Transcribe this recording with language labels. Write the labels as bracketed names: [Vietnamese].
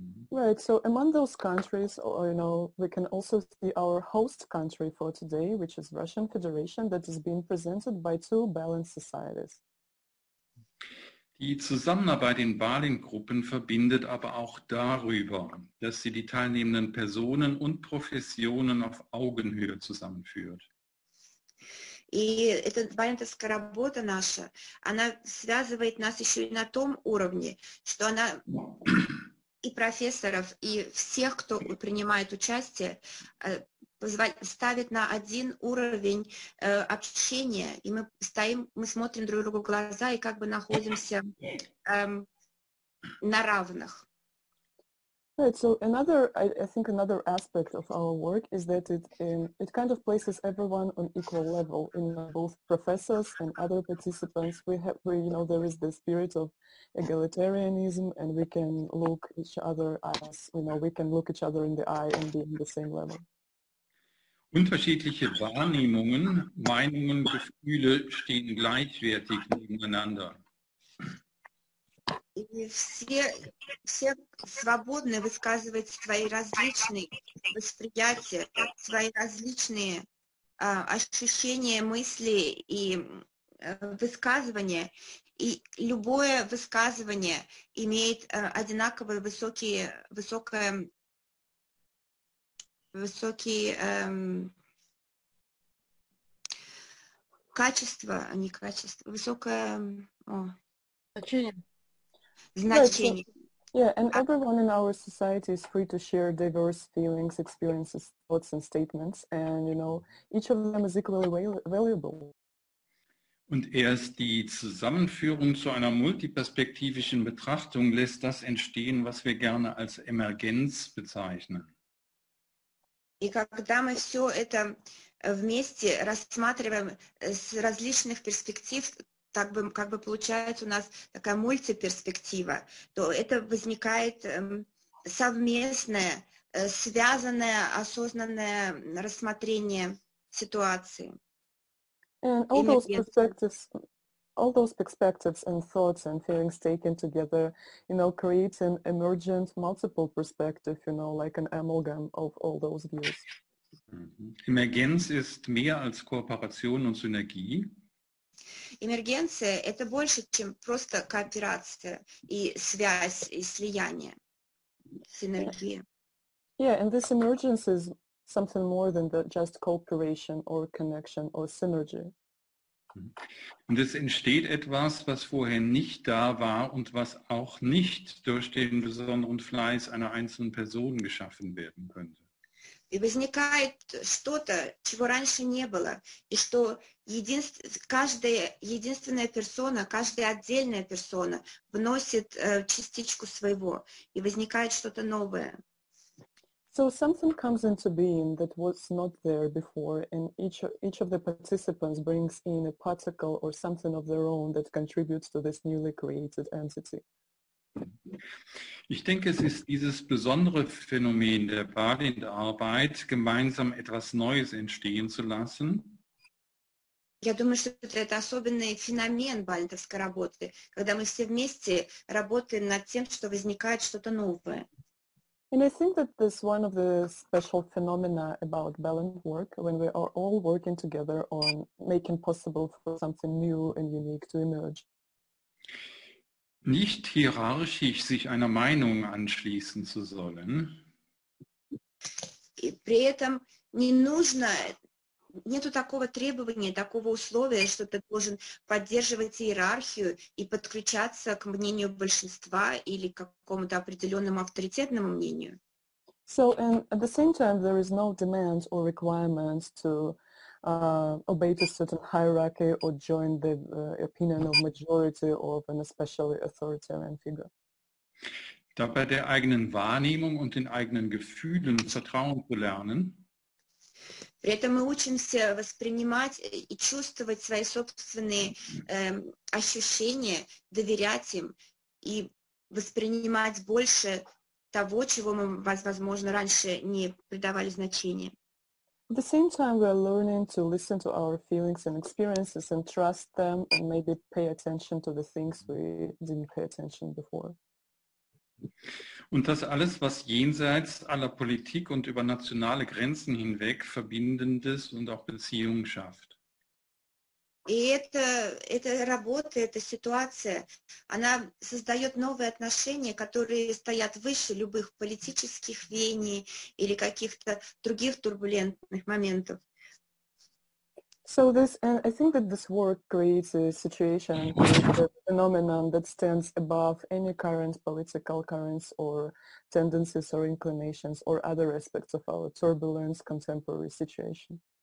[English] Right, so among those countries, you know, we can also see our host country for today, which is Russian Federation, that is being presented by two balanced societies. [German] Die Zusammenarbeit in Balin-Gruppen verbindet aber auch darüber, dass sie die teilnehmenden Personen und Professionen auf Augenhöhe zusammenführt. [Russian] И эта балентовская работа наша, она связывает нас еще и на том уровне, что она и профессоров, и всех, кто принимает участие, ставит на один уровень общения, и мы стоим, мы смотрим друг другу в глаза и как бы находимся на равных. [English] Right, so another, I think another aspect of our work is that it kind of places everyone on equal level, in both professors and other participants. There is the spirit of egalitarianism, and we can look each other eyes, you know, we can look each other in the eye and be on the same level. [German] Unterschiedliche Wahrnehmungen, Meinungen, Gefühle stehen gleichwertig nebeneinander. [Russian] И все свободны высказывать свои различные восприятия, свои различные ощущения, мысли и высказывания. И любое высказывание имеет одинаково высокие качества, а не качества, высокое значение. [English] Right, so, yeah, and everyone in our society is free to share diverse feelings, experiences, thoughts and statements, and you know, each of them is equally valuable. [German] Und erst die Zusammenführung zu einer multiperspektivischen Betrachtung lässt das entstehen, was wir gerne als Emergenz bezeichnen. [Russian] И когда мы все это вместе рассматриваем с различных перспектив, как бы получается у нас такая мультиперспектива, то это возникает совместное, связанное, осознанное рассмотрение ситуации. [English] And all those perspectives, all those perspectives and thoughts and feelings taken together, you know, create an emergent multiple perspective, you know, like an amalgam of all those views. [German] Mm-hmm. Emergenz ist mehr als Kooperation und Synergie. [Russian] Эмергенция – это больше, чем просто кооперация и связь, и слияние, синергия. [English] Yeah, and this emergence is something more than the just cooperation or connection or synergy. [German] Und es entsteht etwas, was vorher nicht da war und was auch nicht durch den besonderen Fleiß einer einzelnen Person geschaffen werden könnte. [Russian] И возникает что-то, чего раньше не было, и что каждая единственная персона, каждая отдельная персона вносит частичку своего, и возникает что-то новое. [English] So something comes into being that was not there before, and each of the participants brings in a particle or something of their own that contributes to this newly created entity. [German] Ich denke, es ist dieses besondere Phänomen der Balint-Arbeit, gemeinsam etwas Neues entstehen zu lassen. [Russian] Я думаю, что это особенный феномен балинтовской работы, когда мы все вместе работаем над тем, что возникает что-то новое. [English] And I think that this is one of the special phenomena about balint work, when we are all working together on making possible for something new and unique to emerge. [German] Nicht hierarchisch sich einer Meinung anschließen zu sollen. [Russian] И при этом не нужно, нету такого требования, такого условия, что ты должен поддерживать иерархию и подключаться к мнению большинства или к какому-то определенному авторитетному мнению. [English] So, and at the same time, there is no demand or requirement to obey a certain hierarchy or join the opinion of majority of an especially authoritarian figure. [German] Da bei der eigenen Wahrnehmung und den eigenen Gefühlen Vertrauen zu lernen. [Russian] При этом мы учимся воспринимать и чувствовать свои собственные ощущения, доверять им и воспринимать больше того, чего мы, возможно, раньше не придавали значения. [English] At the same time, we are learning to listen to our feelings and experiences and trust them and maybe pay attention to the things we didn't pay attention before. [German] Und das alles, was jenseits aller Politik und über nationale Grenzen hinweg Verbindendes und auch Beziehungen schafft. [Russian] Эта работа, эта ситуация, она создает новые отношения, которые стоят выше любых политических веяний или каких-то других турбулентных моментов. [English] So this, and I think that this work creates a situation, a phenomenon that stands above any current political currents or tendencies or inclinations or other aspects of our turbulent contemporary situation.